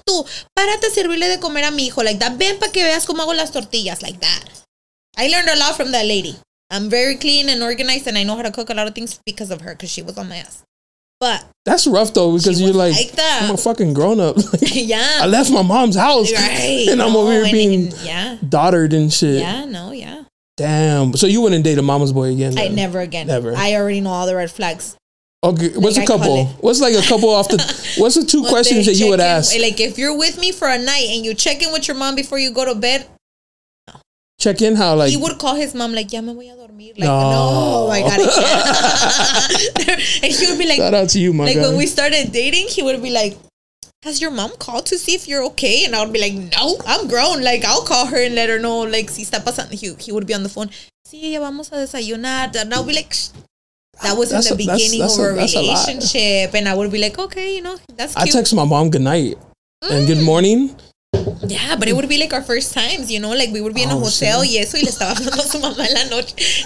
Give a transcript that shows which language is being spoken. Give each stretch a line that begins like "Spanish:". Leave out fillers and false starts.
Spanish: Tú, párate a servirle de comer a mi hijo.
English: Like that.
Spanish: Ven para que veas cómo hago las tortillas.
English: Like that. I learned a lot from that lady. I'm very clean and organized, and I know how to cook a lot of things because of her, because she was on my ass. But that's rough, though, because you're like that. I'm a fucking grown up. Like, yeah. I left my mom's house. Right. And I'm over here being daughtered and shit. Yeah, no, yeah. Damn. So you wouldn't date a mama's boy again? I never again. Never. I already know all the red flags. Okay, what's like a couple? What's like a couple off the... What's the two what questions that you would ask? Like, if you're with me for a night and you check in with your mom before you go to bed... No. Check in how, like... He would call his mom, like,
Spanish: ya me voy a dormir.
English: Like, no, no, I got it. And he would be like... Shout out to you, my like, guy. When we started dating, he would be like, has your mom called to see if you're okay? And I would be like, no, I'm grown. Like, I'll call her and let her know, like,
Spanish: si está pasando.
English: He would be on the phone.
Spanish: Sí, ya vamos a desayunar.
English: And I'll be like... That was that's in the a, beginning that's of a relationship. A and I would be like, okay, you know, that's cute. I text my mom good night and good morning. Yeah, but it would be like our first times, you know, like we would be in a hotel.
Spanish: Sí.
English: Yes, we
Spanish: le estaba hablando a su mamá en la noche.